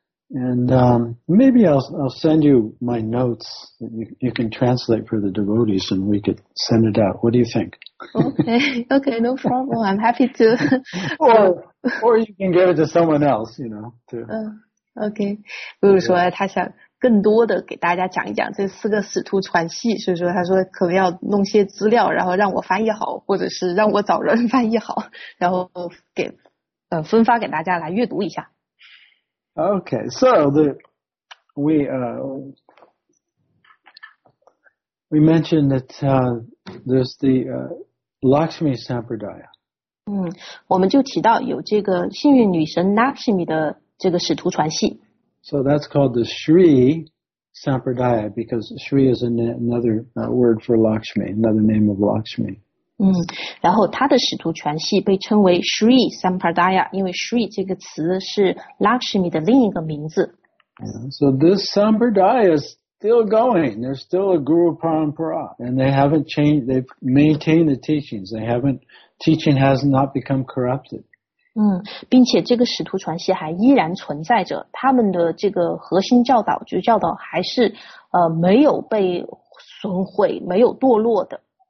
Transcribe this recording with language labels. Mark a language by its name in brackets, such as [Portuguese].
[English] And maybe I'll send you my notes that you can translate for the devotees and we could send it out What do you think? Okay, no problem. I'm happy to. or you can give it to someone else, you know, too. Okay. [Chinese] 比如说他想更多的给大家讲一讲这四个使徒传系，所以说他说可能要弄些资料，然后让我翻译好，或者是让我找人翻译好，然后给分发给大家来阅读一下。 [English] Okay, so we mentioned that there's the Lakshmi Sampradaya. [Chinese] 我们就提到有这个幸运女神 Lakshmi 的这个使徒传系。 [English] So that's called the Sri Sampradaya, because Sri is another word for Lakshmi, another name of Lakshmi. [Chinese] 然后他的使徒传系被称为 Sri Sampradaya, 因为 Sri 这个词是 Lakshmi 的另一个名字。 [English] So this Sampradaya is still going. There's still a Guru Parampara, and they haven't changed, they've maintained the teachings. They haven't, teaching has not become corrupted. [Chinese] 并且这个使徒传系还依然存在着，他们的这个核心教导，就教导还是没有被损毁，没有堕落的。